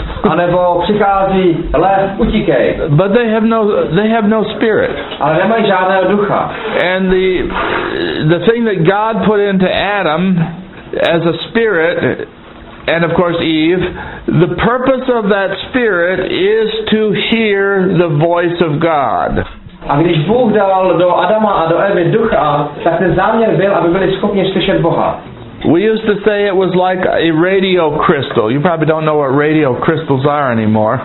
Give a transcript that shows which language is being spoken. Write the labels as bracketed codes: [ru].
[cs] A nebo přichází lev, utíkej. [en] But they have no spirit. [cs] Ale nemají žádného ducha. [en] And the thing that God put into Adam as a spirit, and of course Eve, the purpose of that spirit is to hear the voice of God. [cs] A když Bůh dal do Adama a do Evy ducha, tak ten záměr byl, aby byli schopni slyšet Boha. [en] We used to say it was like a radio crystal. You probably don't know what radio crystals are anymore.